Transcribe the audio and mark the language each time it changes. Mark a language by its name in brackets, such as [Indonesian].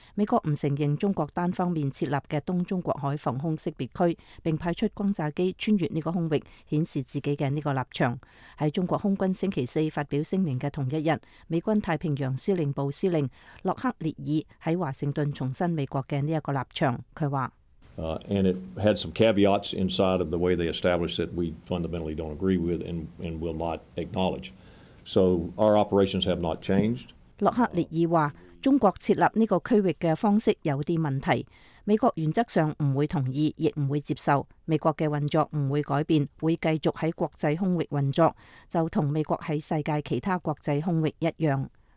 [Chinese] 美国不承认中国单方面设立的东中国海防空识别区，并派出轰炸机穿越这个空域，显示自己的这个立场。在中国空军星期四发表声明的同一日，美军太平洋司令部司令洛克列尔在华盛顿重申美国的这个立场，他说 [English] And it had some caveats inside of the way they established it we fundamentally don't agree with and will not acknowledge. So our operations have not changed. [Chinese] 洛克列爾說，中國設立這個區域的方式有些問題，美國原則上不會同意，亦不會接受，美國的運作不會改變，會繼續在國際空域運作，就跟美國在世界其他國際空域一樣。